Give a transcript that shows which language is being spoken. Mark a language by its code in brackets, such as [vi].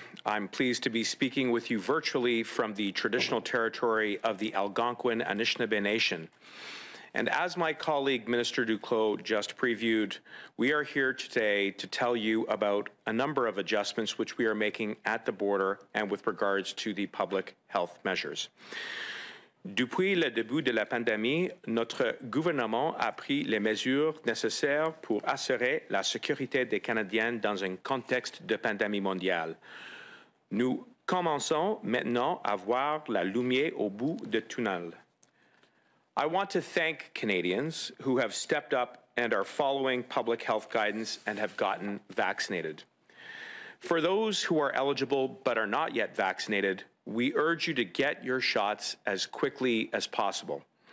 [en] I'm pleased to be speaking with you virtually from the traditional territory of the Algonquin Anishinaabe Nation. And as my colleague, Minister Duclos, just previewed, we are here today to tell you about a number of adjustments which we are making at the border and with regards to the public health measures. [fr] Depuis le début de la pandémie, notre gouvernement a pris les mesures nécessaires pour assurer la sécurité des Canadiens dans un contexte de pandémie mondiale. Nous commençons maintenant à voir la lumière au bout du tunnel. [en] I want to thank Canadians who have stepped up and are following public health guidance and have gotten vaccinated. For those who are eligible but are not yet vaccinated, we urge you to get your shots as quickly as possible.